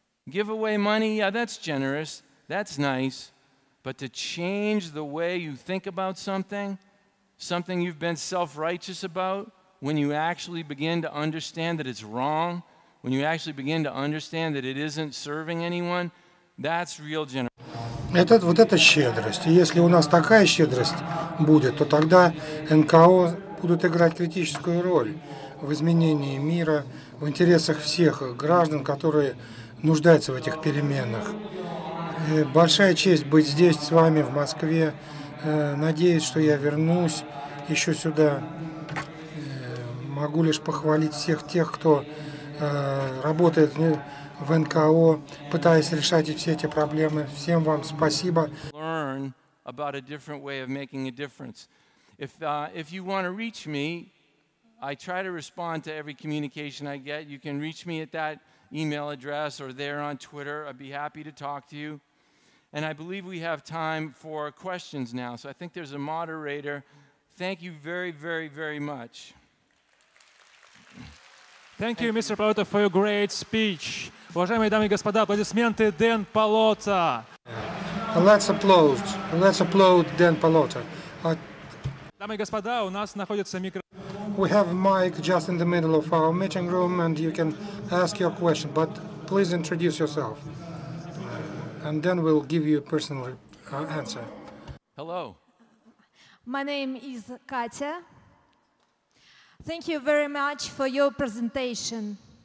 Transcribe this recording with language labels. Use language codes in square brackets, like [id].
[en] Give away money, yeah, that's generous, that's nice, but to change the way you think about something, something you've been self-righteous about, when you actually begin to understand that it's wrong, when you actually begin to understand that it isn't serving anyone, that's real generosity. [ru] Это щедрость. И если у нас такая щедрость будет, то тогда НКО будут играть критическую роль в изменении мира, в интересах всех граждан, которые нуждаются в этих переменах. И большая честь быть здесь с вами в Москве. Надеюсь, что я вернусь еще сюда. Могу лишь похвалить всех тех, кто работает в НКО, пытаясь решать все эти проблемы. Всем вам спасибо. [en] Learn about a different way of making a difference. If you want to reach me, I try to respond to every communication I get. You can reach me at that email address or there on Twitter. I'd be happy to talk to you. And I believe we have time for questions now. So I think there's a moderator. Thank you very, very, very much. Thank you, Mr. Palota, for your great speech. [ru] Уважаемые дамы и господа, аплодисменты Дэн Палота. [en] Let's applaud Дэн Палота. [ru] Дамы и господа, у нас находится микро. [en] We have mic just in the middle of our meeting room, and you can ask your question, but please introduce yourself, and then we'll give you a personal answer. Hello. My name is Katya. Thank you very much for your presentation.